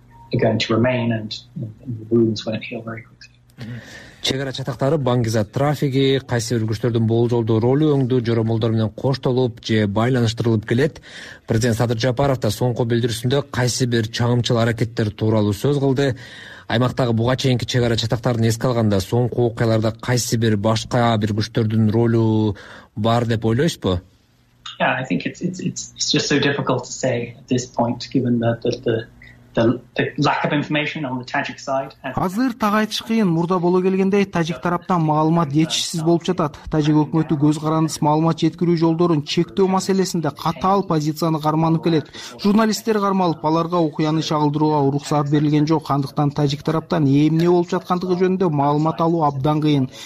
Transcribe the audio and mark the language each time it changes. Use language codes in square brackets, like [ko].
[en] Are going to remain and the wounds won't heal very quickly. [ky] Чек ара чатактары, баңгиза трафиги, кайсы бир күчтөрдүн болжолдуу ролу өңдүү жоромолдор менен коштолуп же байланыштырылып келет. Президент Садыр Жапаров да соңку билдирүүсүндө кайсы бир чагымчыл аракеттер тууралуу сөз кылды. Аймактагы буга чейинки чек ара чатактарын эске алганда, соңку окуяларда кайсы бир башка бир күчтөрдүн ролу бар деп ойлойсузбу? [en] Yeah, I think it's just so difficult to say at this point, given the lack of information on the Tajik side. [ky] Азыр так айтыш кыйын. Мурда боло келгендей, тажик тараптан маалымат жетишсиз болуп жатат. Тажик өкмөтү көз карандысыз маалымат жеткирүү жолдорун чектөө маселесинде катаал позицияны карманып келет. Журналисттер кармалып, аларга окуяны чагылдырууга уруксат берилген жок. Андыктан тажик тараптан эмне болуп жаткандыгы жөнүндө маалымат алуу абдан кыйын.